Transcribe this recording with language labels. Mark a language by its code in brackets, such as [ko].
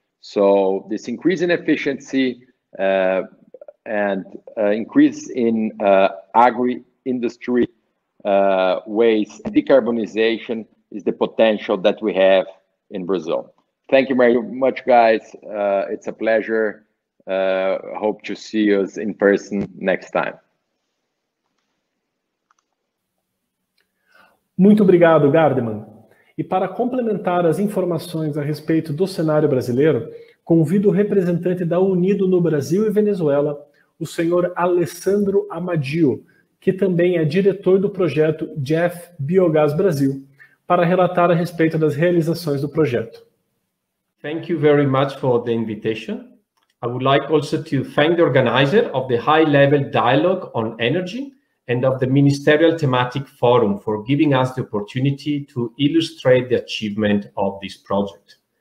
[en] So this increase in efficiency increase in agri-industry waste decarbonization is the potential that we have in Brazil. Thank you very much, guys. It's a pleasure. Hope to see you in person next time. [pt] Muito obrigado, Gardeman. E para complementar as informações a respeito do cenário brasileiro, convido o representante da Unido no Brasil e Venezuela, o senhor Alessandro Amadio, que também é diretor do projeto Jeff Biogás Brasil, para relatar a respeito das realizações do projeto. [en] Thank you very much for the invitation. I would like also to thank the organizer of the high-level dialogue on energy and of the Ministerial Thematic Forum for giving us the opportunity to illustrate the achievement of this project.